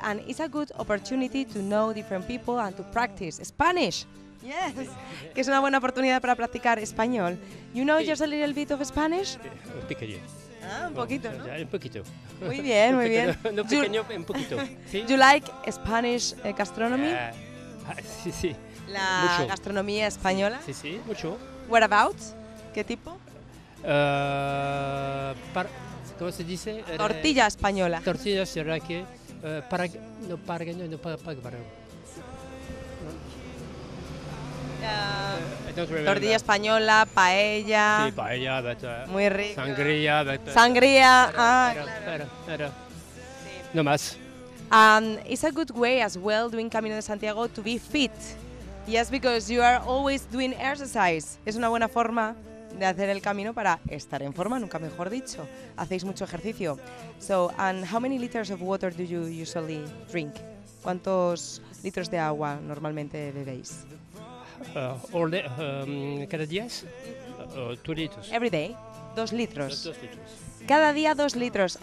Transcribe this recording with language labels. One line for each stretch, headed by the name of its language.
English: And it's a good opportunity to know different people and to practice Spanish. Yes.
Spanish: Que es una buena oportunidad para practicar español.
English: You know just a little bit of Spanish?
Spanish: Pequeño. Ah, un poquito, ¿no? Un poquito. Muy bien, muy pequeño, bien. No pequeño, un poquito. ¿Sí?
English: You like Spanish gastronomy?
Spanish: Sí, sí. La mucho. Gastronomía española. Sí, sí, mucho. What about? ¿Qué tipo? ¿Cómo se dice? Tortilla española. Tortilla, ¿será like, que para no para que no para para? Para. Tortilla española, paella. Sí, paella, muy rico. Sangría, sangría. No más.
English: It's a good way as well doing Camino de Santiago to be fit. Yes, because you are always doing exercise.
Spanish: Es una buena forma de hacer el camino para estar en forma, nunca mejor dicho. Hacéis mucho ejercicio.
English: So, and how many liters of water do you usually drink?
Spanish: ¿Cuántos litros de agua normalmente bebéis? Cada día, 2 litros.
English: Every day, 2 litros.
Spanish: 2 litros. Cada día 2 litros.